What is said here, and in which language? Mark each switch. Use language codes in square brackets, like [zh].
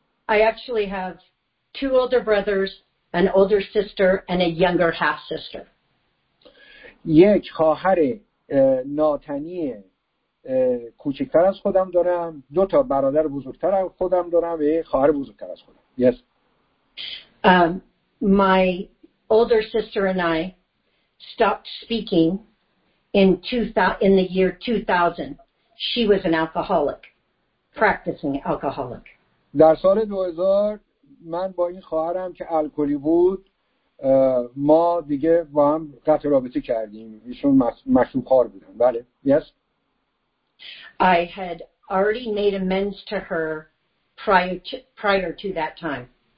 [en] I actually have 2 older brothers, an older sister, and a younger half sister. [fa] یک خواهر ناتنی کوچکتر از خودم دارم. 2 تا برادر بزرگتر از خودم دارم و یک خواهر بزرگتر از خودم. [en] Yes. My older sister and I stopped speaking in the year 2000. She was an alcoholic, practicing alcoholic. [fa] در سال 2000 من با این خواهرم که الکلی بود ما دیگه با هم قطع رابطه کردیم. ایشون مشروب خوار بودن. بله. [en] Yes. I had already made amends to her prior to that time.